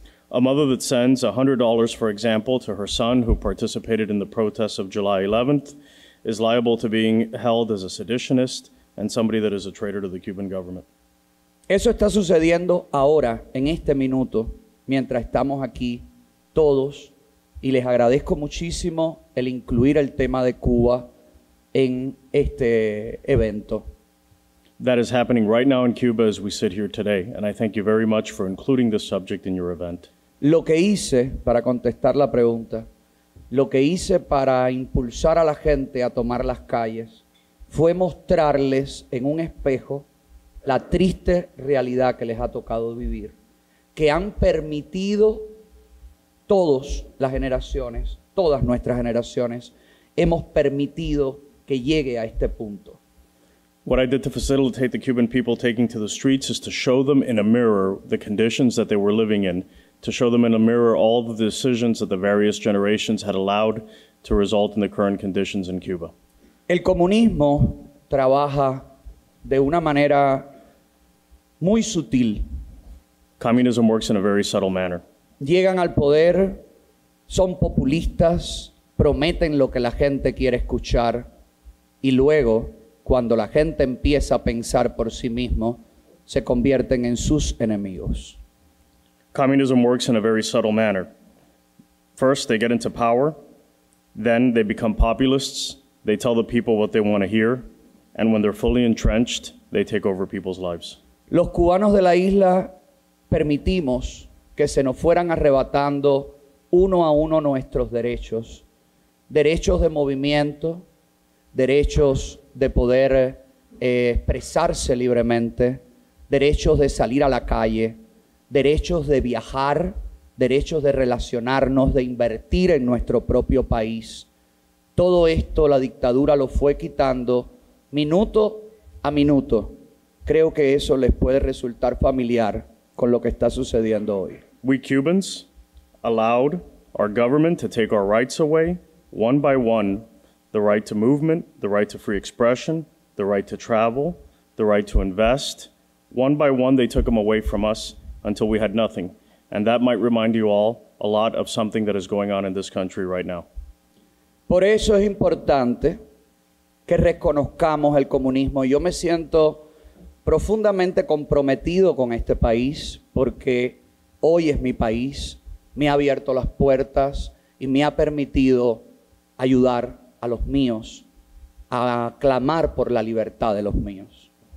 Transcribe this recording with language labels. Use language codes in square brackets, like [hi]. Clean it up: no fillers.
[en] A mother that sends $100, for example, to her son who participated in the protests of July 11th is liable to being held as a seditionist and somebody that is a traitor to the Cuban government. [es] Eso está sucediendo ahora, en este minuto, mientras estamos aquí todos, y les agradezco muchísimo el incluir el tema de Cuba en este evento. [en] That is happening right now in Cuba as we sit here today, and I thank you very much for including this subject in your event. [es] Lo que hice para contestar la pregunta, lo que hice para impulsar a la gente a tomar las calles, fue mostrarles en un espejo la triste realidad que les ha tocado vivir, que han permitido todas las generaciones, todas nuestras generaciones, hemos permitido que llegue a este punto. [en] What I did to facilitate the Cuban people taking to the streets is to show them in a mirror the conditions that they were living in, to show them in a mirror all the decisions that the various generations had allowed to result in the current conditions in Cuba. [es] El comunismo trabaja de una manera muy sutil. [en] Communism works in a very subtle manner. [es] Llegan al poder, son populistas, prometen lo que la gente quiere escuchar, y luego, cuando la gente empieza a pensar por sí mismo, se convierten en sus enemigos. [en] Communism works in a very subtle manner. First, they get into power. Then they become populists. They tell the people what they want to hear. And when they're fully entrenched, they take over people's lives. [es] Los cubanos de la isla permitimos que se nos fueran arrebatando uno a uno nuestros derechos. Derechos de movimiento, derechos de poder expresarse libremente, derechos de salir a la calle, derechos de viajar, derechos de relacionarnos, de invertir en nuestro propio país. Todo esto la dictadura lo fue quitando minuto a minuto. Creo que eso les puede resultar familiar con lo que está sucediendo hoy. [en] We Cubans allowed our government to take our rights away one by one. The right to movement, the right to free expression, the right to travel, the right to invest. One by one, they took them away from us until we had nothing. And that might remind you all a lot of something that is going on in this country right now. [es] Por eso es importante que reconozcamos el comunismo. Yo me siento profundamente comprometido con este país porque hoy es mi país. Me ha abierto las puertas y me ha permitido ayudar a los míos, a clamar por la libertad de los míos.